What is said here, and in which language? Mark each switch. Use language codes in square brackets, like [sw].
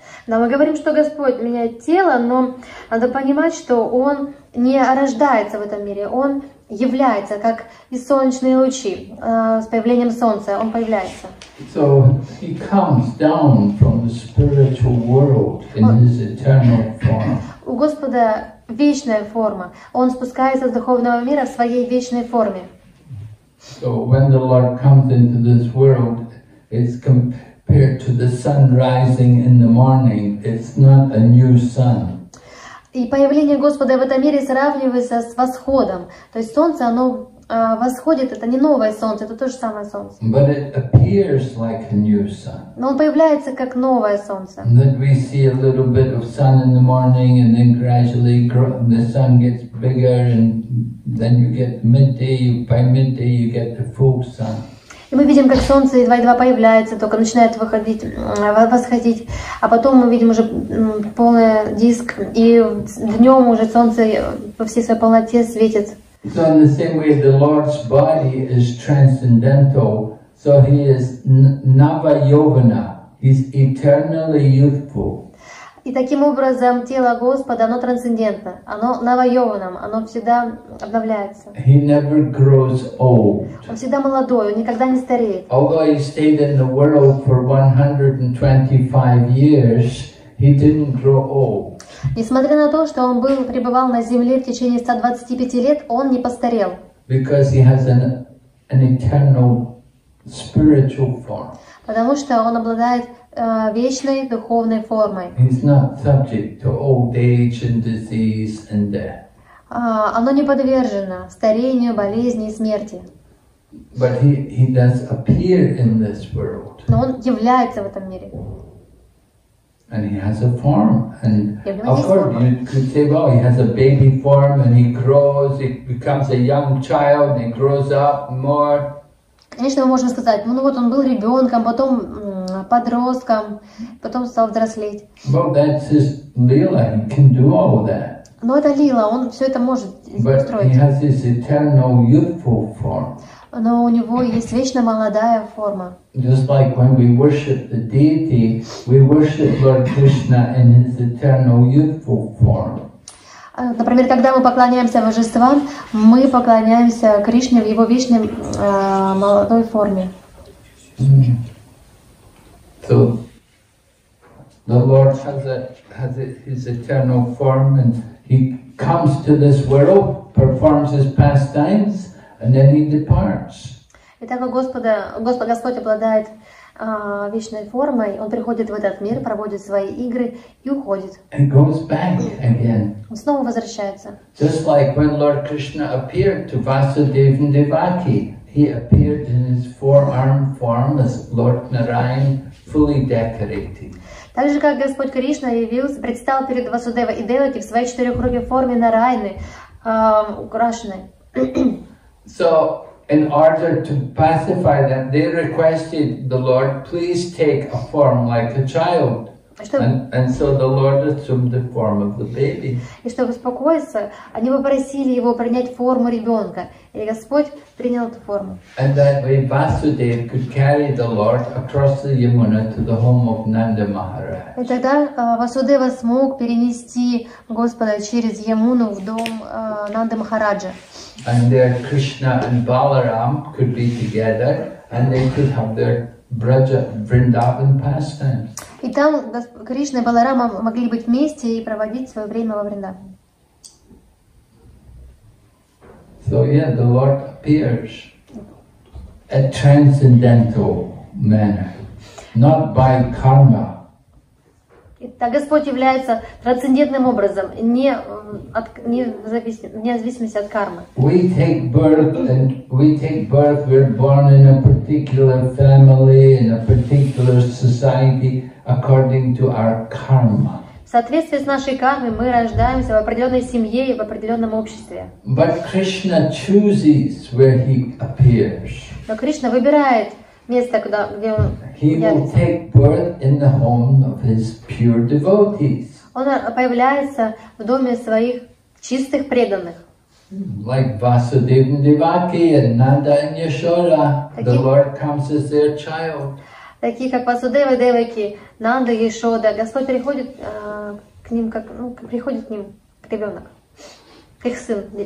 [ru] Да, мы говорим, что Господь меняет тело, но надо понимать, что Он не рождается в этом мире, Он является, как и солнечные лучи, с появлением солнца, Он появляется. [en] So he comes down from the spiritual world in his eternal form. [ru] У Господа вечная форма, Он спускается с духовного мира в своей вечной форме. [en] So when the Lord comes into this world, it's compared to the sun rising in the morning, it's not a new sun. [ru] И появление Господа в этом мире сравнивается с восходом. То есть солнце, оно восходит, это не новое солнце, это то же самое солнце. [en] But it appears like a new sun. [ru] Но он появляется как новое солнце. [en] And then we see a little bit of sun in the morning, and then gradually the sun gets bigger, and then you get midday, by midday you get the full sun. [ru] И мы видим, как солнце едва-едва появляется, только начинает выходить, восходить, а потом мы видим уже полный диск, и днем уже солнце во всей своей полноте светит. [en] So in the same way, the Lord's body is transcendental, so he is Navayovana, he's eternally youthful. [ru] И таким образом тело Господа, оно трансцендентно, оно Навайовано, оно всегда обновляется. [en] He never grows old. [ru] Он всегда молодой, он никогда не стареет. [en] Although he stayed in the world for 125 years, he didn't grow old. [ru] Несмотря на то, что он был, пребывал на земле в течение 125 лет, он не постарел. [en] Because he has an eternal spiritual form. [ru] Потому что он обладает вечной духовной формой. [en] He's not subject to old age and disease and death. [ru] Оно не подвержено старению, болезни и смерти. [en] But he does appear in this world. [ru] Но он является в этом мире. [en] And he has a form. And of course, you could say, well, he has a baby form, and he grows, he becomes a young child, and he grows up more. [ru] Конечно, мы можем сказать, ну вот он был ребенком, потом подростком, потом стал взрослеть. [en] Well, that's his lila. He can do all that. [ru] Но это лила, он все это может устроить. [en] But he has his eternal youthful form. [ru] Но у него есть вечно молодая форма. [en] Just like when we worship the deity, we worship Lord Krishna in his eternal youthful form. [ru] Например, когда мы поклоняемся божествам, мы поклоняемся Кришне в его вечной молодой форме. [en] So the Lord has his eternal form, and he comes to this world, performs his pastimes, and then he departs. [ru] Итак, Господь обладает вечной формой, он приходит в этот мир, проводит свои игры и уходит. [en] And goes back again. [ru] Он снова возвращается. [en] Just like when Lord Krishna appeared to Vasudeva and Devaki, he appeared in his four-armed form as Lord Narayan, fully decorated. [ru] Так же, как Господь Кришна явился, предстал перед Васудева и Деваки в своей четырехрукой форме Нарайны, украшенной. [en] So, in order to pacify them, they requested the Lord, please take a form like a child. And so the Lord assumed the form of the baby. [ru] И чтобы успокоиться, они попросили его принять форму ребенка, и Господь принял эту форму. [en] And that way Vasudev could carry the Lord across the Yamuna to the home of Nanda Maharaj. [ru] И тогда Васудева смог перенести Господа через Ямуну в дом Нанды Махараджа. [en] And there Krishna and Balaram could be together, and they could have their Braja Vrindavan pastimes. [ru] И там Кришна и Баларама могли быть вместе и проводить свое время во Вриндаване. [en] So yeah, the Lord appears a transcendental manner, not by karma. [ru] Итак, Господь является трансцендентным образом, не от независимости от кармы. [en] We take birth and we take birth. We're born in a particular family, in a particular society. According to our karma. [ru] В соответствии с нашей кармой мы рождаемся в определенной семье и в определенном обществе. [en] But Krishna chooses where he appears. [ru] Но Кришна выбирает место, куда, где он явится. [en] He will take birth in the home of his pure devotees. [ru] Он появляется в доме своих чистых преданных. [en] Like Vasudeva and Devaki and Nanda and Yashoda, the Lord comes as their child. [ru] Такие как Васудева, Деваки, Нанда, Яшода, Господь приходит к ним, как, ну, приходит к ним, к ребенок, к их сын.